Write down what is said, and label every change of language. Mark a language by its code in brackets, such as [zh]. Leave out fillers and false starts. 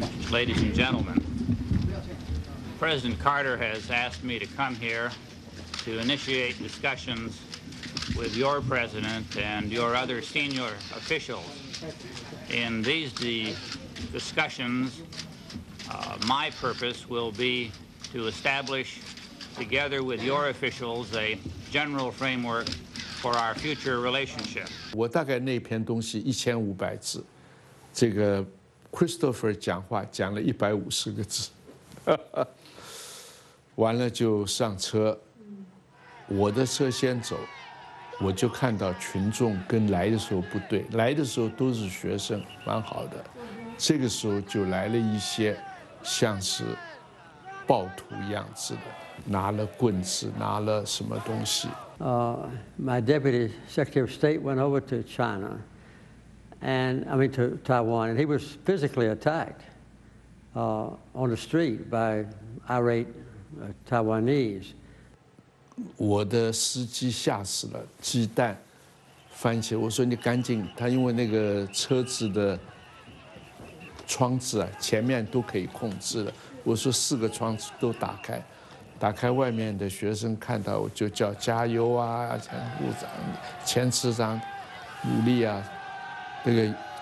[en] Ladies and gentlemen, President Carter has asked me to come here to initiate discussions with your president and your other senior officials. In these discussions, my purpose will be to establish, together with your officials, a general framework for our future relationship. [zh] 我大概那篇东西1500字，这个 Christopher 讲话讲了150个字，完了就上车，我的车先走。我就看到群众跟来的时候不对，来的时候都是学生，蛮好的。这个时候就来了一些像是暴徒样子的，拿了棍子，拿了什么东西。 [en] My deputy secretary of state went over to China, and I mean to Taiwan, and he was physically attacked on the street by irate Taiwanese. [zh] 我的司机吓死了，鸡蛋翻起，我说你赶紧，他因为那个车子的窗子啊，前面都可以控制了，我说四个窗子都打开，打开外面的学生看到我就叫加油啊，前部长前次长努力啊，那个